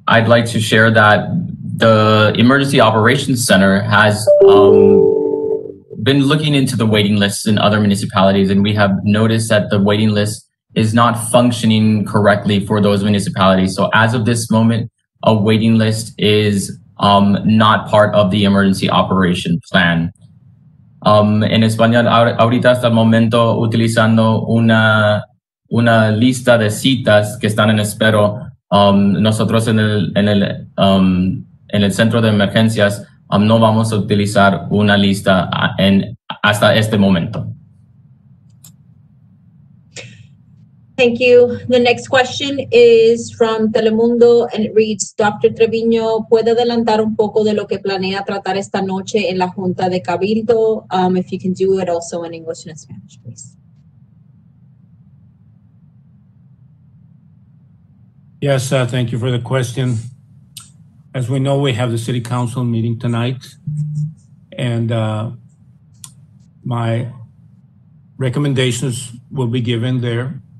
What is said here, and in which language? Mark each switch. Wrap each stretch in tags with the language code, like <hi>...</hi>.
<en>I'd like to share that the Emergency Operations Center has been looking into the waiting lists in other municipalities, and we have noticed that the waiting list is not functioning correctly for those municipalities. So as of this moment, a waiting list is not part of the emergency operation plan.</en> <es>En español, ahorita hasta el momento utilizando una lista de citas que están en espero. Nosotros en el centro de emergencias no vamos a utilizar una lista hasta este momento.</es> <en>Thank you. The next question is from Telemundo, and it reads, Dr.</en> <es>Treviño, ¿puede adelantar un poco de lo que planea tratar esta noche en la Junta de Cabildo?</es> <en>If you can do it also in English and Spanish, please. Yes, thank you for the question. As we know, we have the City Council meeting tonight, and my recommendations will be given there.</en>